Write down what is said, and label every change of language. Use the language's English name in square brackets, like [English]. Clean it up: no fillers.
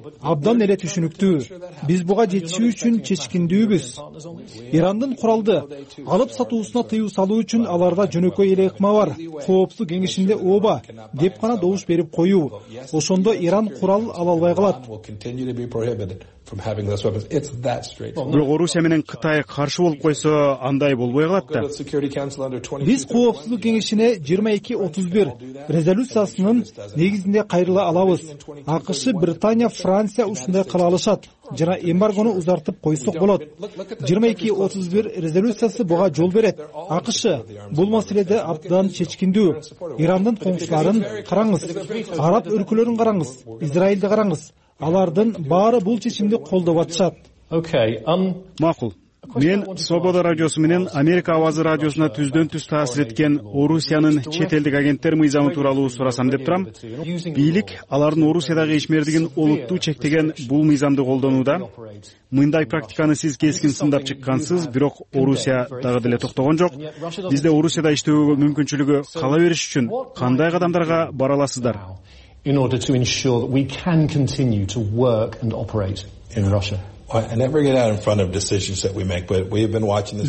[Kyrgyz] Абдан эле түшүнүктүү. Биз буга жетиши үчүн чечкиндүүбүз. Ирандын куралды алып сатуусуна тыюу салуу үчүн аларда жөнөкөй эле ыкма бар. Коопсуздук кеңешинде ооба деп гана добуш берип коюу. Ошондо Иран курал ала албай калат. [English] From having those weapons. It's that straightforward. [Kyrgyz] Бирок Орусия менен Кытай каршы болуп койсо, андай болбой калат да. Биз Коопсуздук кеңешине 2231 резолюциясынын негизинде кайрыла алабыз. АКШ, Британия, Франция ушундай кыла алышат жана эмбаргону узартып койсок болот. 2231 резолюциясы буга жол берет. АКШ бул маселеде абдан чечкиндүү. Ирандын коңшуларын караңыз, араб өлкөлөрүн караңыз, Израилди караңыз. Алардын баары бул чечимди колдоп атышат. Макул. Мен Свобода радиосу менен Америка Авазы радиосуна түздөн түз таасир эткен Орусиянын чет элдик агенттер мыйзамы тууралуу сурасам деп турам. Бийлик алардын Орусиядагы ишмердигин олуттуу чектеген бул мыйзамды колдонууда. Мындай практиканы сиз кескин сындап чыккансыз, бирок Орусия дагы деле токтогон жок. Бизде Орусияда иштөөгө мүмкүнчүлүгү кала бериш үчүн кандай кадамдарга бара аласыздар? [English] In order to ensure that we can continue to work and operate in Russia. And never get out in front of decisions that we make, but we have been watching this.